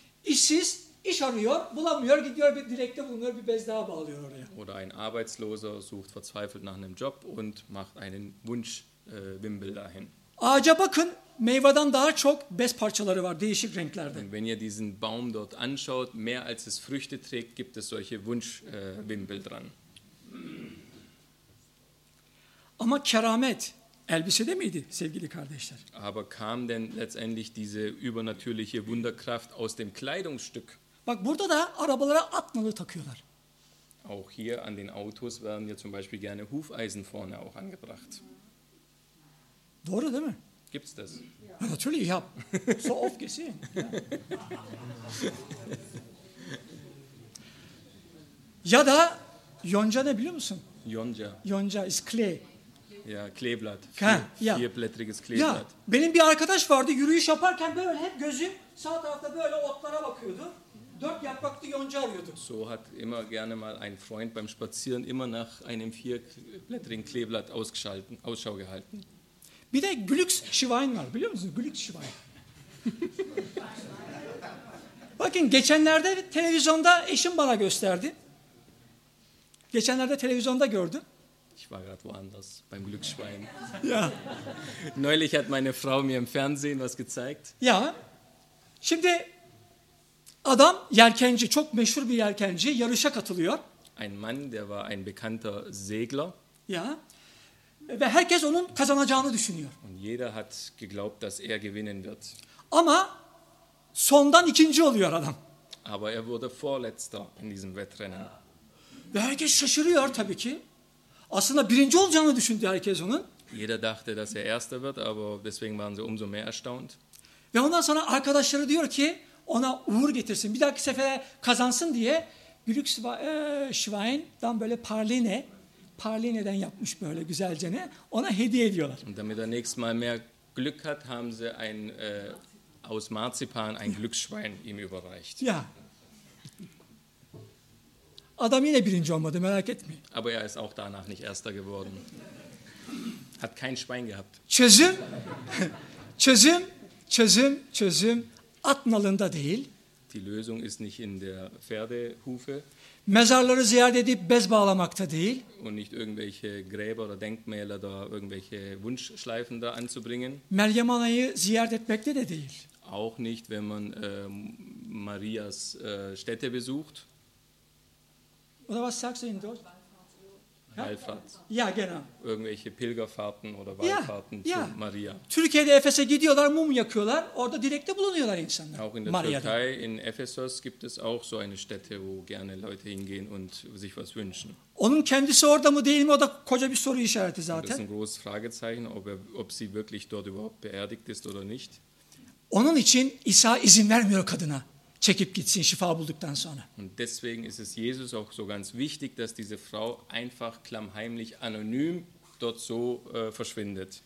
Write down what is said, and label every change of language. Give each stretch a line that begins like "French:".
Turkish: İşsiz, iş arıyor, bulamıyor, gidiyor bir direkte bulunuyor, bir bez daha bağlıyor oraya.
German: Oder ein Arbeitsloser sucht verzweifelt nach einem Job und macht einen Wunschwimbel dahin.
Turkish: Ağaca bakın, meyveden daha çok bez parçaları var, değişik renklerde.
German: Und wenn ihr diesen Baum dort anschaut, mehr als es Früchte trägt, gibt es solche Wunschwimbel dran.
Turkish: Ama keramet elbisede miydi sevgili kardeşler?
German: Aber kam denn letztendlich diese übernatürliche Wunderkraft aus dem Kleidungsstück?
Turkish: Bak burada da arabalara at nalı takıyorlar.
German: Auch hier an den Autos werden ja zum Beispiel gerne Hufeisen vorne auch angebracht.
Turkish: Doğru değil mi?
German: Gibt's das? Ja, natürlich, ich hab so oft gesehen. Ja.
Turkish: Ya da yonca ne biliyor musun? Yonca.
German: Yonca is clay. Ja, Kleeblatt. Ha, vierblättriges Kleeblatt.
Turkish: Ja, benim bir arkadaş vardı, yürüyüş yaparken böyle hep gözü sağ tarafta böyle otlara bakıyordu. Dört yapraklı yonca arıyordu.
German: So hat immer gerne mal ein Freund beim Spazieren immer nach einem vierblättrigen Kleeblatt ausgeschalten, Ausschau gehalten.
Turkish: Bir de Glücksschwein var, biliyor musun? Glücksschwein. Bakın geçenlerde televizyonda eşim bana gösterdi. Geçenlerde televizyonda gördü.
German: Ich war gerade woanders beim Glücksschwein. Ja. Neulich hat meine Frau mir im Fernsehen was gezeigt. Ja.
Turkish: Şimdi adam yelkenci, çok meşhur bir yelkenci, yarışa katılıyor.
German: Ein Mann, der war ein bekannter Segler. Ja.
Turkish: Ve herkes onun kazanacağını düşünüyor.
German: Und jeder hat geglaubt, dass er gewinnen wird.
Turkish: Ama sondan ikinci oluyor adam.
German: Aber er wurde vorletzter in diesem Wettrennen.
Turkish: Ve herkes şaşırıyor tabii ki. Aslında birinci olacağını düşündü herkes onun.
German: Jeder dachte, dass er erster wird, aber deswegen waren sie umso mehr erstaunt.
Turkish: Ve ondan sonra arkadaşları diyor ki ona uğur getirsin. Bir dahaki sefere kazansın diye Glücksschwein'dan böyle parline, parline'den yapmış böyle güzelce ne, ona hediye ediyorlar.
German: Und damit er nächstes Mal mehr Glück hat, haben sie ein aus Marzipan ein Glücksschwein ihm überreicht. Ja.
Turkish: Adam yine birinci olmadı, merak etme.
German: Aber er ist auch danach nicht erster geworden. Hat kein Schwein gehabt.
Turkish: Çözüm, çözüm, çözüm, çözüm at nalında değil.
German: Die Lösung ist nicht in der Pferdehufe.
Turkish: Mezarları ziyaret edip bez bağlamakta değil.
German: Und nicht irgendwelche Gräber oder Denkmäler da irgendwelche Wunschschleifen da anzubringen.
Turkish: Meryem Ana'yı ziyaret etmekte de değil.
German: Auch nicht, wenn man Marias Stätte besucht. Oder was sagst du in Deutsch? Wallfahrt. Ja, genau. Irgendwelche Pilgerfahrten oder Wallfahrten ja, zu Maria.
Turkish: Türkiye'de Efes'e gidiyorlar, mum yakıyorlar. Orada direkte bulunuyorlar insanlar.
German: Auch in der Maria'da. Türkei, in Ephesus gibt es auch so eine Stätte, wo gerne Leute hingehen und sich was wünschen.
Turkish: Onun kendisi orada mı değil mi? O da koca bir soru işareti zaten.
German: Das ist ein großes Fragezeichen, ob sie wirklich dort überhaupt beerdigt ist oder nicht.
Turkish: Onun için İsa izin vermiyor kadına. Çekip gitsin şifa bulduktan sonra.
German: Und deswegen ist es Jesus auch so ganz wichtig, dass diese Frau einfach klammheimlich anonym dort so verschwindet.